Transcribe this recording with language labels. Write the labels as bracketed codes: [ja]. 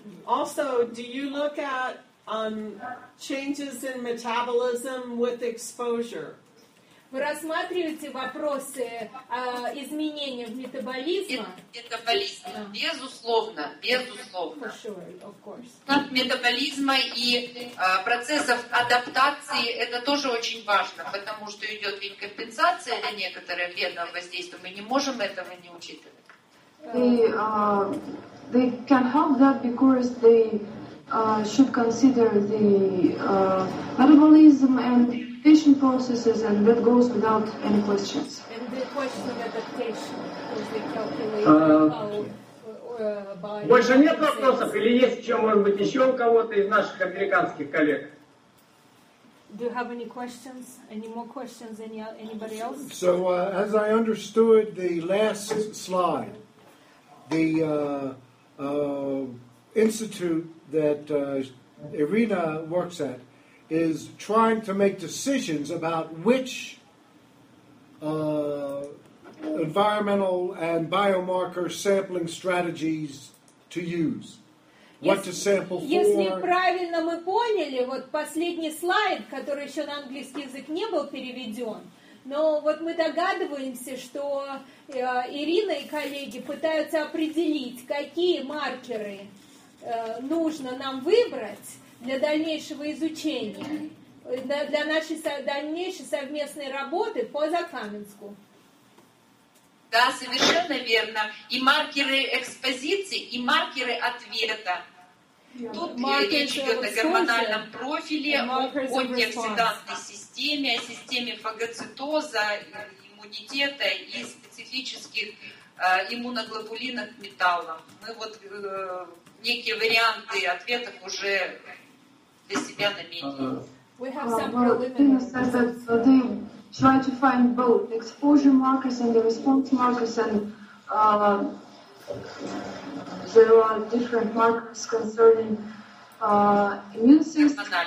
[en] Also, do you look at changes in metabolism with exposure? [ru] Вы рассматриваете вопросы изменения в метаболизме? Безусловно, безусловно. [en] For sure, of course. [ru] Метаболизма и процессов адаптации – это тоже очень важно, потому что идет ведь компенсация на некоторое вредное воздействие. Мы не можем этого не учитывать. [en] They can help that because they should consider the metabolism and adaptation processes, and that goes without any questions. And the question of adaptation, because they calculate how... [ru] Больше нет вопросов, или есть еще, может быть, еще у кого-то из наших американских коллег? [en] Do you have any questions? Any more questions? Anybody else? So, as I understood the last slide, the institute that Irina works at is trying to make decisions about which environmental and biomarker sampling strategies to use. What to sample for? [ru] Если правильно мы поняли, вот последний слайд, который еще на английский язык не был переведен, но вот мы догадываемся, что Ирина и коллеги пытаются определить, какие маркеры нужно нам выбрать для дальнейшего изучения, для нашей дальнейшей совместной работы по Закаменску. Да, совершенно верно. И маркеры экспозиции, и маркеры ответа. Тут речь идет о гормональном профиле, о неоксидантной системе, о системе фагоцитоза, иммунитета и специфических иммуноглобулинах металла. Мы вот некие варианты ответов уже... [en] Tina says that they try to find both exposure markers and the response markers, and there are different markers concerning immune system.